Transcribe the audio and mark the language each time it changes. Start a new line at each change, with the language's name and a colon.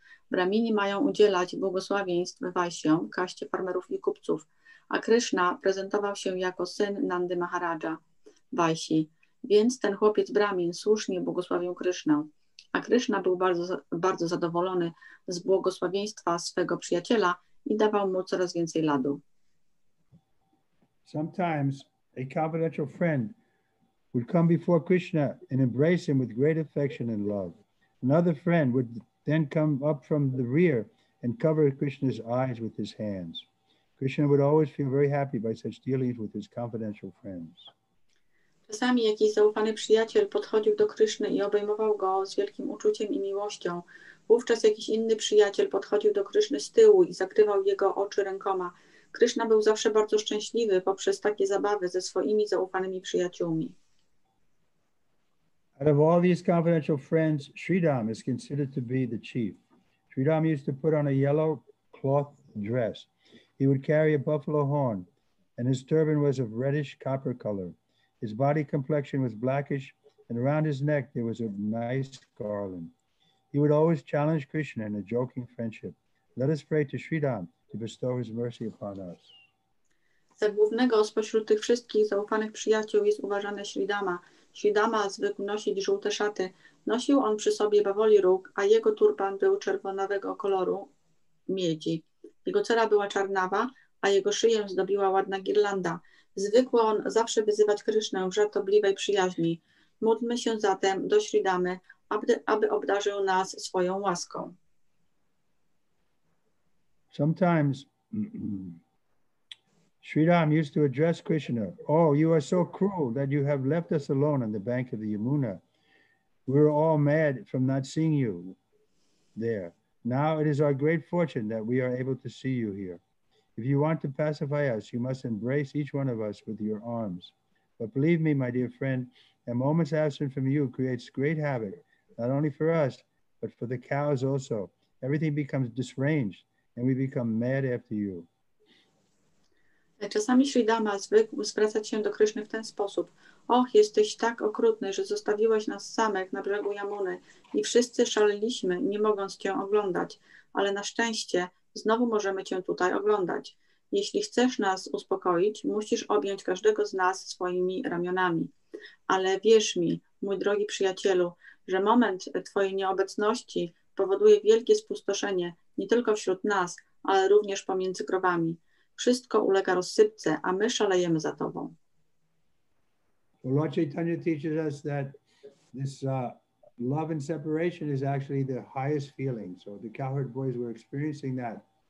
Polish: Brahmini mają udzielać błogosławieństw Vaisyom, kaście farmerów i kupców, a Krishna prezentował się jako syn Nandy Maharaja, Vaisi. Więc ten chłopiec Brahmin słusznie błogosławił Krishnę, a Krishna był bardzo, bardzo zadowolony z błogosławieństwa swego przyjaciela i dawał mu coraz więcej ladu.
English: Sometimes a confidential friend would come before Krishna and embrace him with great affection and love. Another friend would then come up from the rear and cover Krishna's eyes with his hands. Krishna would always feel very happy by such dealings with his confidential friends.
Polish: Czasami jakiś zaufany przyjaciel podchodził do Kryszny i obejmował go z wielkim uczuciem i miłością. Wówczas jakiś inny przyjaciel podchodził do Kryszny z tyłu i zakrywał jego oczy rękoma. Krishna był zawsze bardzo szczęśliwy poprzez takie zabawy ze swoimi zaufanymi przyjaciółmi.
English: Out of all these confidential friends, Sridham is considered to be the chief. Sridham used to put on a yellow cloth dress. He would carry a buffalo horn, and his turban was of reddish copper color. His body complexion was blackish, and around his neck there was a nice garland. He would always challenge Krishna in a joking friendship. Let us pray to Sridham to bestow his mercy upon us.
Polish: Za głównego spośród tych wszystkich zaufanych przyjaciół jest uważany Sridhama. Sridhama zwykł nosić żółte szaty. Nosił on przy sobie bawoli róg, a jego turban był czerwonawego koloru miedzi. Jego cera była czarnawa, a jego szyję zdobiła ładna girlanda. Zwykł on zawsze wyzywać Krysznę w żartobliwej przyjaźni. Módlmy się zatem do Sridhamy, aby obdarzył nas swoją łaską.
English: Sometimes Sridham used to address Krishna, oh, you are so cruel that you have left us alone on the bank of the Yamuna. We're all mad from not seeing you there. Now it is our great fortune that we are able to see you here. If you want to pacify us, you must embrace each one of us with your arms. But believe me, my dear friend, a moment's absence from you creates great havoc, not only for us, but for the cows also. Everything becomes disarranged and we become mad after you.
Polish: Czasami Sridhama zwykł zwracać się do Kryszny w ten sposób: och, jesteś tak okrutny, że zostawiłeś nas samych na brzegu Yamuny i wszyscy szaleliśmy, nie mogąc cię oglądać, ale na szczęście znowu możemy cię tutaj oglądać. Jeśli chcesz nas uspokoić, musisz objąć każdego z nas swoimi ramionami. Ale wierz mi, mój drogi przyjacielu, że moment twojej nieobecności powoduje wielkie spustoszenie nie tylko wśród nas, ale również pomiędzy krowami. Wszystko ulega rozsypce, a my szalejemy za tobą.
English: Well, Lord Chaitanya teaches us that this love and separation is actually the highest feeling. So the cowherd boys were experiencing that.